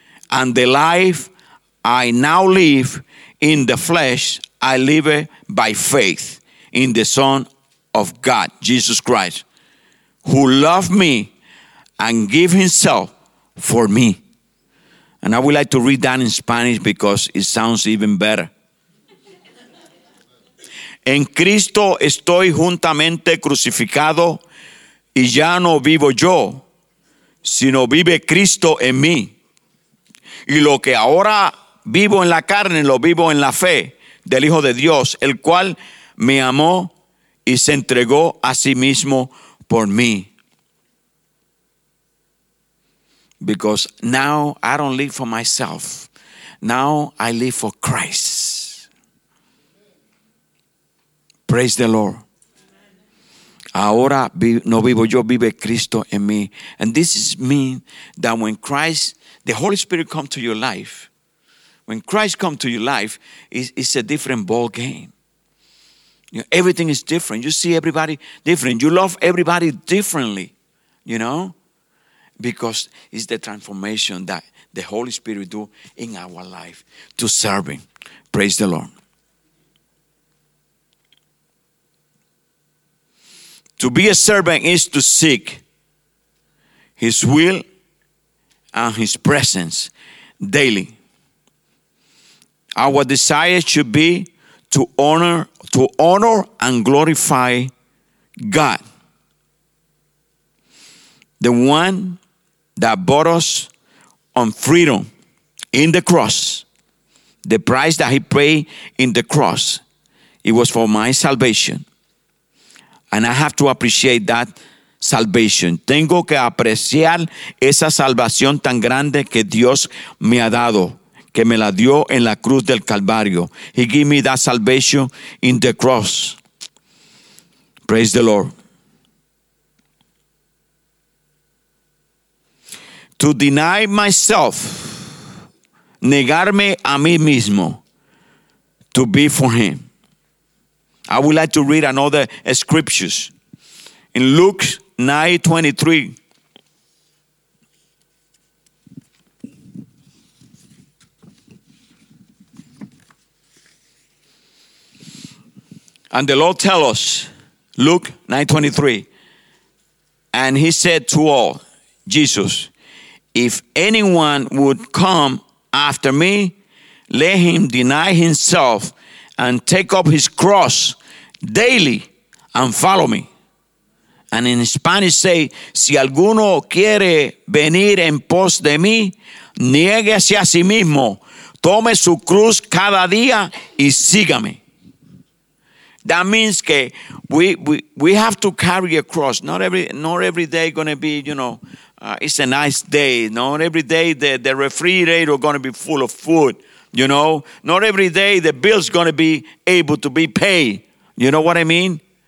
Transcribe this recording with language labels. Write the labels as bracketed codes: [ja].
[en] And the life I now live in the flesh, I live it by faith in the Son of God, Jesus Christ, who loved me and gave himself for me. And I would like to read that in Spanish because it sounds even better. [es] En Cristo estoy juntamente crucificado y ya no vivo yo, sino vive Cristo en mí. Y lo que ahora vivo en la carne, lo vivo en la fe del Hijo de Dios, el cual me amó y se entregó a sí mismo por mí. [en] Because now I don't live for myself. Now I live for Christ. Praise the Lord. [es] Ahora no vivo yo, vive Cristo en mí. [en] And this means that when Christ, the Holy Spirit comes to your life, when Christ comes to your life, it's a different ball game. You know, everything is different. You see everybody different. You love everybody differently, you know? Because it's the transformation that the Holy Spirit do in our life to serve him. Praise the Lord. To be a servant is to seek his will and his presence daily. Our desire should be to honor and glorify God, the one that bought us on freedom in the cross. The price that he paid in the cross, it was for my salvation. And I have to appreciate that salvation. [es] Tengo que apreciar esa salvación tan grande que Dios me ha dado, que me la dio en la cruz del Calvario. [en] He gave me that salvation in the cross. Praise the Lord. To deny myself, [es] negarme a mí mismo, [en] to be for him. I would like to read another scriptures. In Luke 9:23. And the Lord tell us, Luke 9:23. And he said to all, Jesus, if anyone would come after me, let him deny himself and take up his cross daily and follow me. And in Spanish say, [es] si alguno quiere venir en pos de mí, niéguese a sí mismo, tome su cruz cada día y sígame. [en] That means que we have to carry a cross. Not every day going to be, you know, it's a nice day. Not every day the refrigerator going to be full of food, you know. Not every day the bill's going to be able to be paid. You know what I mean?